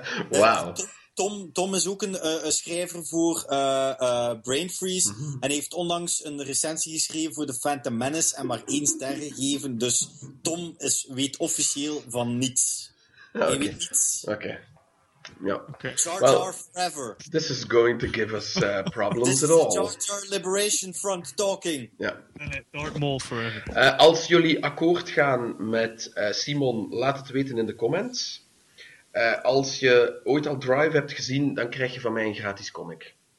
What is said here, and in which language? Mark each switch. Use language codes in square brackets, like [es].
[nl] wauw. Tom is ook een schrijver voor Brain Freeze. Mm-hmm. En heeft onlangs een recensie geschreven voor The Phantom Menace en maar 1 ster gegeven. Dus Tom weet officieel van niets. Okay. Hij weet niets. Oké. Okay. Ja. [en] Okay. Jar Jar forever. This is going to give us problems at all. Jar Jar Liberation Front talking. [nl] Ja. [en] Darth Maul forever. [nl] Als jullie akkoord gaan met Simon, laat het weten in de comments. Als je ooit al Drive hebt gezien, dan krijg je van mij een gratis comic.